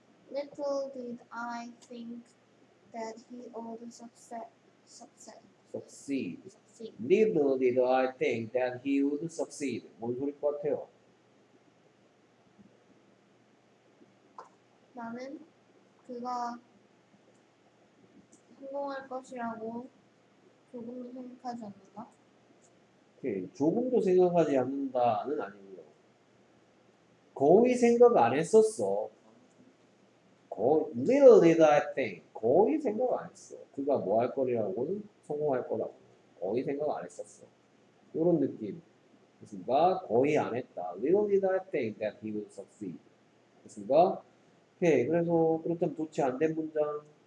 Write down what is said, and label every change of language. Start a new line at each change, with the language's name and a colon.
Korean: Little did I think that he would succeed. Little did I think that he would succeed. 뭔 소리일 것 같아요? 나는 그가 성공할 것이라고 조금도 생각하지 않는다? 오케이. 조금도 생각하지 않는다는 아니고요. 거의 생각 안 했었어. 거의,
English: little did I think.
Korean: 거의 생각 안 했어. 그가 뭐 할 거라고는 성공할 거라고. 거의 생각 안 했었어. 이런 느낌. 그니까 거의 안 했다.
English: Little did I think that he would succeed.
Korean: 그니까 오케이. 그래서 그렇다면 도치 안 된 문장.